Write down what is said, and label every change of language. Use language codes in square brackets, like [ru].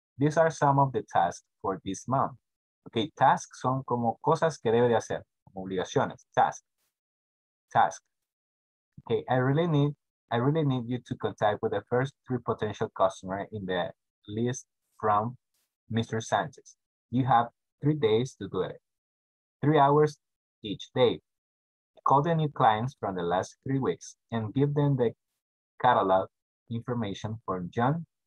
[en] These are some of the tasks for this month. [es] Okay, tasks son como cosas que debe de hacer, como obligaciones. [en] Task. Okay, I really need you to contact with the first three potential customers in the list from Mr. Sanchez. You have 3 days to do it. 3 hours each day. Call the new clients from the last 3 weeks and give them the catalog information for John.